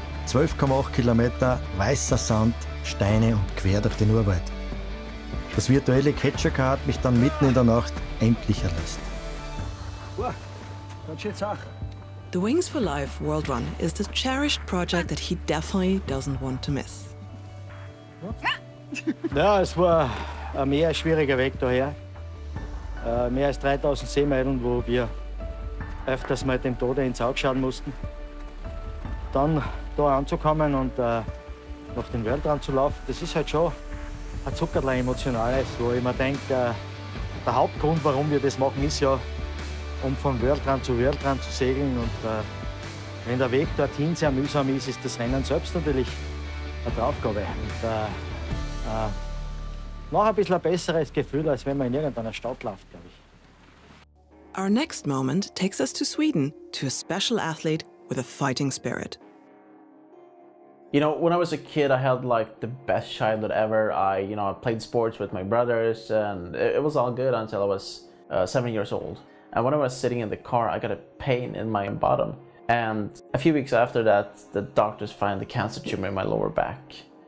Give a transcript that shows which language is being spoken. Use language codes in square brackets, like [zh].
[de] 12,8 Kilometer weißer Sand, Steine und quer durch den Urwald. Das virtuelle Catcher-Car hat mich dann mitten in der Nacht endlich erlöst. [en] The Wings for Life World Run is the cherished project that he definitely doesn't want to miss. [de] Ja, es war ein mehr schwieriger Weg daher. Mehr als 3000 Seemeilen, wo wir öfters mal dem Tode ins Auge schauen mussten. Dann da anzukommen und nach dem Weltrand zu laufen, das ist halt schon ein Zuckerlein emotionales, wo ich mir denke, der Hauptgrund, warum wir das machen, ist ja, um von Weltrand zu segeln. Und wenn der Weg dorthin sehr mühsam ist, ist das Rennen selbst natürlich eine Draufgabe. Und noch ein bisschen ein besseres Gefühl, als wenn man in irgendeiner Stadt läuft, glaube ich. [en] Our next moment takes us to Sweden, to a special athlete with a fighting spirit. You know, when I was a kid, I had like the best childhood ever. I played sports with my brothers and it was all good until I was 7 years old. And when I was sitting in the car, I got a pain in my bottom. And a few weeks after that, the doctors found the cancer tumor in my lower back.